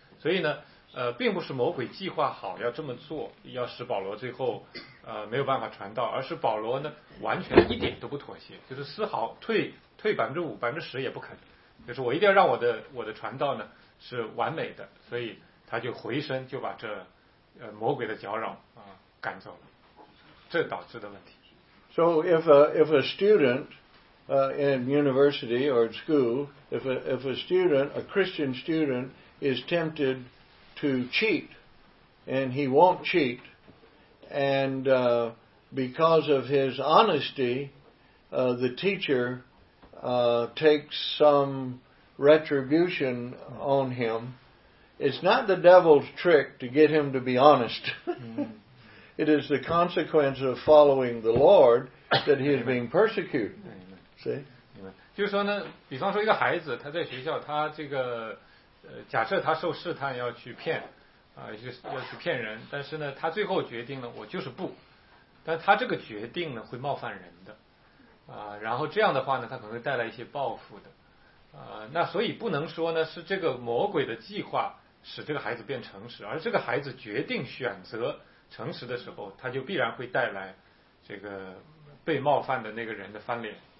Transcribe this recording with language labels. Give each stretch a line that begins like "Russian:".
Chinese: 所以呢，并不是魔鬼计划好要这么做，要使保罗最后没有办法传道，而是保罗呢完全一点都不妥协，就是丝毫退5%-10%也不肯，就是我一定要让我的传道呢是完美的，所以他就回身就把这魔鬼的搅扰赶走了，这导致的问题。
English: So if a student in university or school, if a student, a Christian student is tempted to cheat, and he won't cheat, and because of his honesty, the teacher takes some retribution on him. It's not the devil's trick to get him to be honest. It is the consequence of following the Lord that he is being persecuted. See?
Chinese: 就是说呢，比方说一个孩子，他在学校，他这个假设他受试探要去骗要去骗人，但是呢他最后决定了我就是不，但他这个决定呢会冒犯人的然后这样的话呢他可能会带来一些报复的那所以不能说呢是这个魔鬼的计划使这个孩子变诚实，而这个孩子决定选择诚实的时候，他就必然会带来这个被冒犯的那个人的翻脸